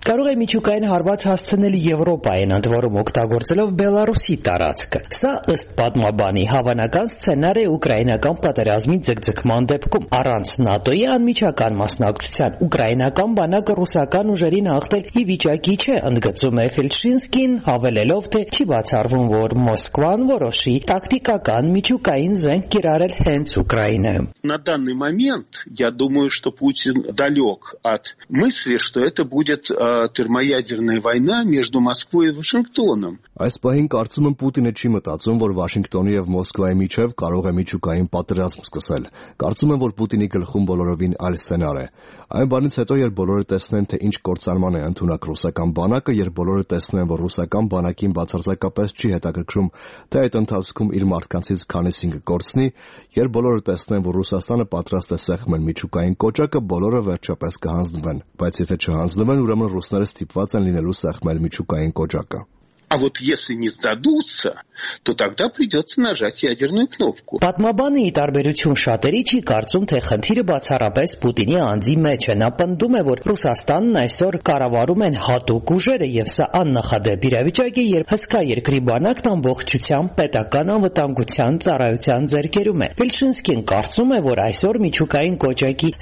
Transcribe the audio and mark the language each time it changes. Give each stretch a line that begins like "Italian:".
Armenian: կարող է միջուկային հարված հասցնել Եվրոպային ընդ որում օգտագործելով Բելարուսի տարածքը։ Սա ըստ պատմաբանի հավանական սցենար է ուկրաինական պատերազմի ձգձգման դեպքում։ Առանց ՆԱՏՕ-ի անմիջական մասնակցության ուկրաինական բանակը ռուսական ուժերին հաղթել ի վիճակի չէ, ընդգծում է Ֆելչինսկին, հավելելով, թե չի բացառվում, որ Մոսկվան որոշի տակտիկական միջուկային զենք կիրառել հենց Украины.
Russian: На данный момент я думаю, что Путин далек от мысли, что это будет термоядерная война между Москвой и Вашингтоном.
Armenian: Այս պահին կարծում եմ Պուտինը չի մտածում, որ Վաշինգտոնի և Մոսկվայի միջև կարող է միջուկային պատերազմ սկսել։ Կարծում եմ, որ Պուտինի գլխում բոլորովին այլ սցենար է։ Այն բանից հետո, երբ բոլորը տեսնեն, թե ինչ կործանման է ընդունակ ռուսական բանակը, երբ բոլորը տեսնեն, որ ռուսական բանակին բացարձակապես չի հետաքրքրում, թե այդ ընթացքում իր մարդկանցից քանիսին կկորցնի, երբ բոլորը տեսնեն, որ Ռուսաստանը պատրաստ է սեղմել միջուկային կոճակը, բոլորը վերջապես կհանձնվեն, բայց եթե չհանձնվեն, ուրեմն ռուսները ստիպված են լինելու սեղմել միջուկային կոճակը։
Russian: А вот если не сдадутся, то тогда придется нажать ядерную кнопку.
Armenian: Պատմաբանը ի տարբերություն շատերի չի կարծում, թե խնդիրը բացառապես Պուտինի անձի մեջ է, նա պնդում է, որ Ռուսաստանն այսօր կառավարում են հատուկ ուժերը և սա աննախադեպ իրավիճակ է, երբ հսկա երկրի բանակն ամբողջությամբ պետական անվտանգության ծառայության ձեռքերում է։ Ֆելչինսկին կարծում է, որ այսօր միջուկային կոճակի